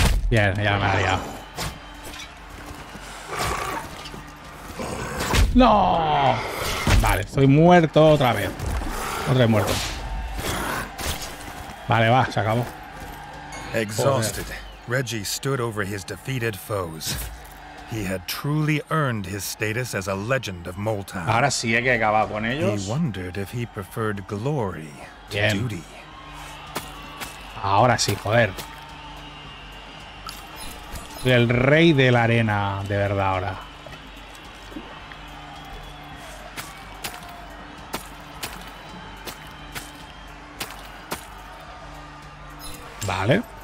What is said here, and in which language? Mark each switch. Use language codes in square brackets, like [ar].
[es] Bien, ya me ha liado. ¡No! Vale, estoy muerto otra vez. Otra vez muerto. Vale, va, se acabó. [en] Exhausted, Reggie stood over his defeated foes. He had truly earned his status as a legend of Moltan. [es] Ahora sí hay que acabar con ellos. [en] He wondered if he preferred glory to duty. [es] Ahora sí, joder. El rey de la arena, de verdad, ahora. Vale.